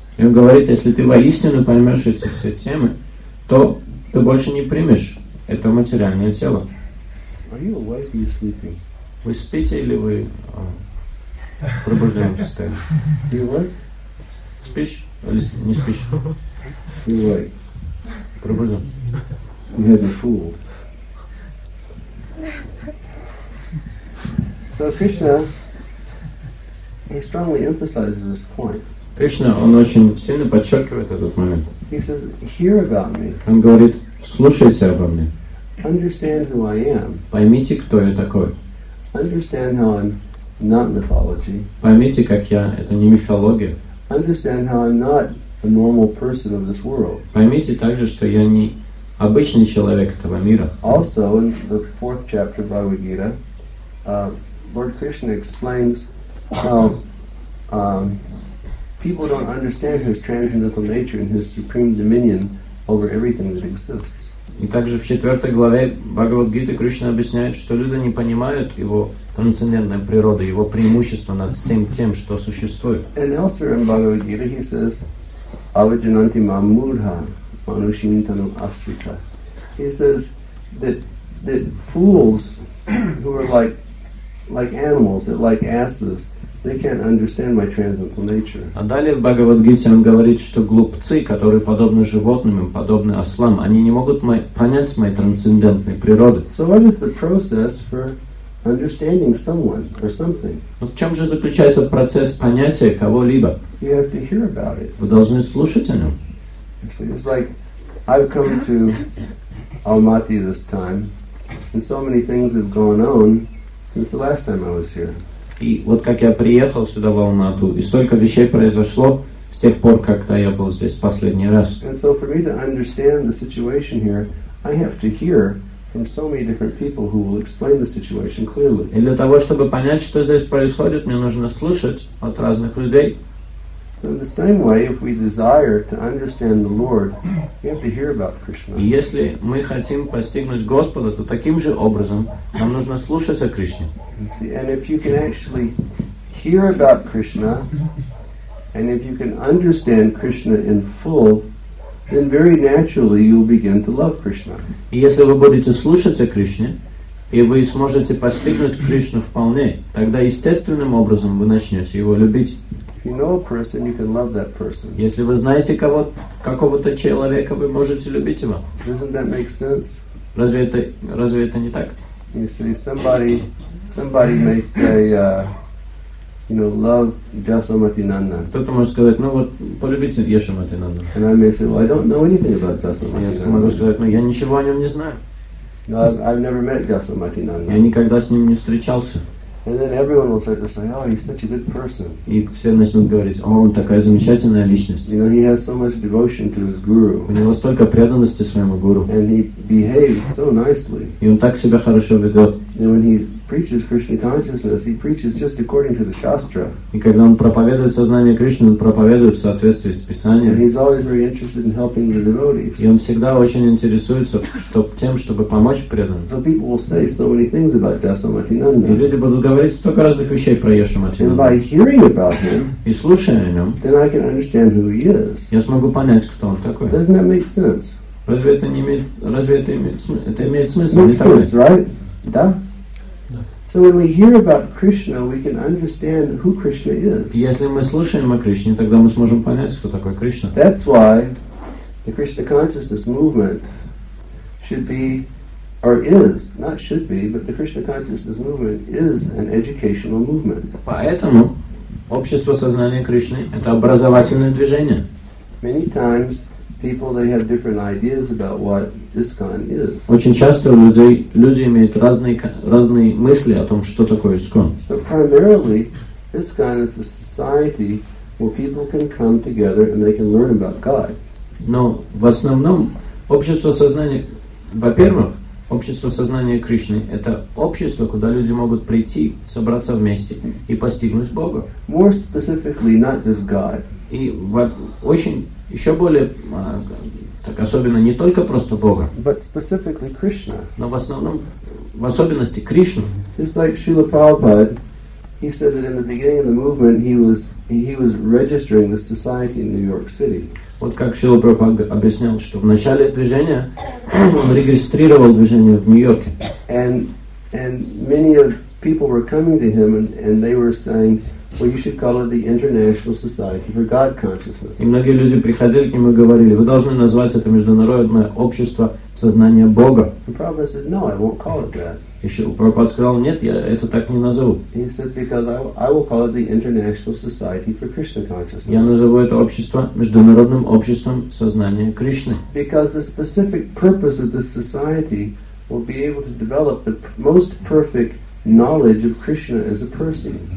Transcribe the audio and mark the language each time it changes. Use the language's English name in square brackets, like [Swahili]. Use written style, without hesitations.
[Russian] И он говорит, если ты воистину поймешь эти все темы, то ты больше не примешь это материальное тело. [English] Are you awake or are you sleeping? [Russian] Вы спите или вы пробуждаемся в состоянии? [English] Are you awake? [Russian] Спишь или не спишь? [English] You awake? [Russian] Пробуждаем. [English] You had been fooled. So Krishna, he strongly emphasizes this point. [Russian] Кришна, он очень сильно подчеркивает этот момент. [English] He says, "Hear about me." [Russian] Он говорит, слушайте обо мне. [English] Understand who I am. [Russian] Поймите, кто я такой. [English] Understand how I'm not mythology. [Russian] Поймите, как я, это не мифология. [English] Understand how I'm not a normal person of this world. [Russian] Поймите также, что я не обычный человек этого мира. [English] Also, in the fourth chapter of Bhagavad Gita, Lord Krishna explains how people don't understand his transcendental nature and his supreme dominion over everything that exists. [Russian] И также в четвертой главе Бхагавад-гиты Кришна объясняет, что люди не понимают его трансцендентной природы, его преимущества над всем тем, что существует. [English] And also in Bhagavad-gita he says, [Sanskrit] avajananti mam murha manushintanam asrita. [English] He says that fools who are like animals, that like asses, they can't understand my transcendental nature. [Russian] А далее в Бхагавад-гите он говорит, что глупцы, которые подобны животным, подобны ослам, они не могут понять моей трансцендентной природы. [English] So what is the process for understanding someone or something? [Russian] Но в чем же заключается процесс понятия кого-либо? [English] You have to hear about it. [Russian] Вы должны слушать о нем. [English] It's like I've come to Almaty this time, and so many things have gone on since the last time I was here. [Russian] И вот как я приехал сюда в Алмату, и столько вещей произошло с тех пор, когда я был здесь последний раз. [English] And so for me to understand the situation here, I have to hear from so many different people who will explain the situation clearly. [Russian] И для того, чтобы понять, что здесь происходит, мне нужно слушать от разных людей. [English] So in the same way, if we desire to understand the Lord, we have to hear about Krishna. [Russian] И если мы хотим постигнуть Господа, то таким же образом нам нужно слушать о Кришне. [English] And if you can actually hear about Krishna, and if you can understand Krishna in full, then very naturally you'll begin to love Krishna. [Russian] И если вы будете слушать о Кришне, и вы сможете постигнуть Кришну вполне, тогда естественным образом вы начнете его любить. [English] If you know a person, you can love that person. [Russian] Если вы знаете какого-то человека, вы можете любить его. [English] Doesn't that make sense? [Russian] Разве это не так? [English] You see, somebody may say, love Jasomati Nanda. [Russian] Кто-то может сказать, полюбите Яшомати Нанда. [English] And I may say, well, I don't know anything about Jasomati Nanda. [Russian] Я могу сказать, я ничего о нем не знаю. [English] No, I've never met Jasomati Nanda. [Russian] Я никогда с ним не встречался. [English] And then everyone will start to say, oh, he's such a good person. [Russian] И все начнут говорить, о, он такая замечательная личность. [English] You know, he has so much devotion to his guru. [Russian] У него столько преданности своему гуру. [English] And he behaves so nicely. [Russian] И он так себя хорошо ведет. [English] And when he preaches Krishna consciousness, he preaches just according to the shastra. [Russian] И когда он проповедует сознание Кришны, он проповедует в соответствии с Писанием. [English] And he's always very interested in helping the devotees. [Russian] И он всегда очень интересуется, чтобы помочь преданным. [English] So people will say so many things about Yashomatinanda. [Russian] И люди будут говорить столько разных вещей про Яшоматинанду. [English] And by hearing about him, [Russian] и слушая о нем, [English] then I can understand who he is. [Russian] Я смогу понять, кто он такой. [English] Doesn't that make sense? [Russian] Разве это имеет смысл? [English] Right? Да. So when we hear about Krishna, we can understand who Krishna is. [Russian] Если мы слушаем о Кришне, тогда мы сможем понять, кто такой Кришна. [English] That's why the Krishna consciousness movement should be, or is, not should be, but the Krishna consciousness movement is an educational movement. [Russian] Поэтому общество сознания Кришны — это образовательное движение. [English] Many times people, they have different ideas about what ISKCON is. [Russian] Очень часто люди имеют разные мысли о том, что такое ISKCON. [English] But primarily, ISKCON is a society where people can come together and they can learn about God. [Russian] Но в основном общество сознания, во-первых, общество сознания Кришны — это общество, куда люди могут прийти, собраться вместе и постигнуть Бога. [English] More specifically, not just God. [Russian] И вот очень еще более, так особенно не только просто Бога, [English] but specifically Krishna. [Russian] Но в основном, в особенности Кришну. [English] Just like Srila Prabhupada, he said that in the beginning of the movement, he was registering the society in New York City. [Russian] Вот как Шрила Прабхупада объяснял, что в начале движения он регистрировал движение в Нью-Йорке. [English] And many of people were coming to him and they were saying, well, you should call it the International Society for God Consciousness. [Russian] И многие люди приходили к нему и говорили, вы должны назвать это Международное общество сознания Бога. [English] And Prabhupada said, no, I won't call it that. [Russian] И Прабхупада сказал, нет, я это так не назову. [English] He said, because I will call it the International Society for Krishna Consciousness. [Russian] Я назову это общество Международным обществом сознания Кришны. [English] Because the specific purpose of this society will be able to develop the most perfect knowledge of Krishna as a person.